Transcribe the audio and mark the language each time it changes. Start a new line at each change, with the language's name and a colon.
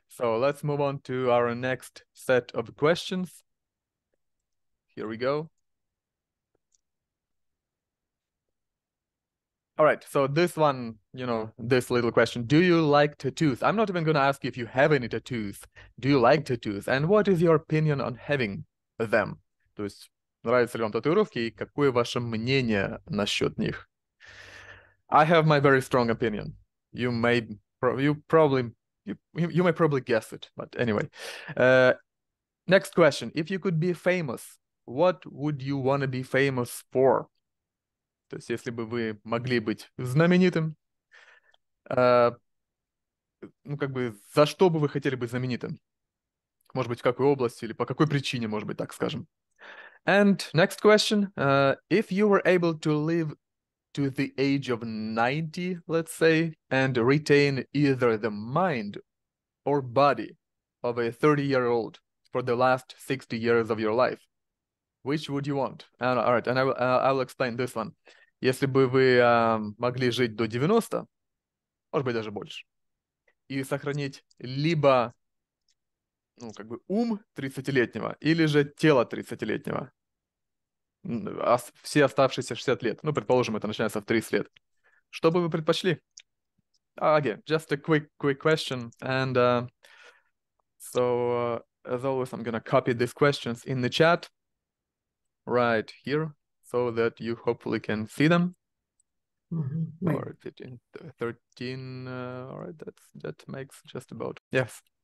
English: So let's move on to our next set of questions. Here we go. All right, so this one, you know, this little question. Do you like tattoos? I'm not even going to ask you if you have any tattoos. Do you like tattoos? And what is your opinion on having them.
Russian: То есть, нравятся ли вам татуировки и какое ваше мнение насчет них?
English: I have my very strong opinion. You may probably guess it, but anyway. Next question. If you could be famous, what would you want to be famous for?
Russian: То есть, если бы вы могли быть знаменитым, ну, как бы, за что бы вы хотели быть знаменитым? Может быть, в какой области или по какой причине, может быть, так скажем.
English: And next question. If you were able to live to the age of 90, let's say, and retain either the mind or body of a 30-year-old for the last 60 years of your life, which would you want? All right, and I will explain this one.
Russian: Если бы вы могли жить до 90, может быть, даже больше, и сохранить либо, ну, как бы, ум 30-летнего, или же тело 30-летнего, все оставшиеся 60 лет, ну, предположим, это начинается в 30 лет, что бы вы предпочли?
English: Again, just a quick question, and as always, I'm gonna copy these questions in the chat right here, so that you hopefully can see them. Mm-hmm. Or 13, all right, that makes just about, yes.